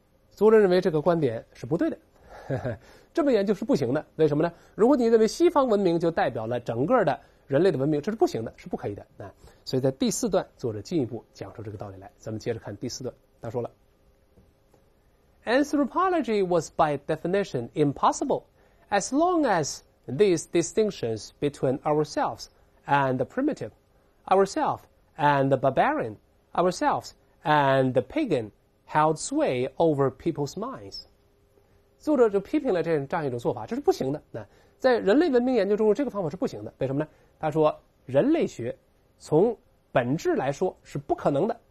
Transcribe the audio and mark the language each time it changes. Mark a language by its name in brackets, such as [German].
[Chinese] 苏人认为这个观点是不对的，这么研究是不行的。为什么呢？如果你认为西方文明就代表了整个的人类的文明，这是不行的，是不可以的。所以在第四段作者进一步讲出这个道理来。咱们接着看第四段，他说了 [English] Anthropology was by definition impossible as long as these distinctions between ourselves and the primitive, ourselves and the barbarian, ourselves and the pagan held sway over people's minds。 [Chinese] 作者就批评了这样一种做法，这是不行的。在人类文明研究中，这个方法是不行的。为什么呢？他说人类学从本质来说是不可能的。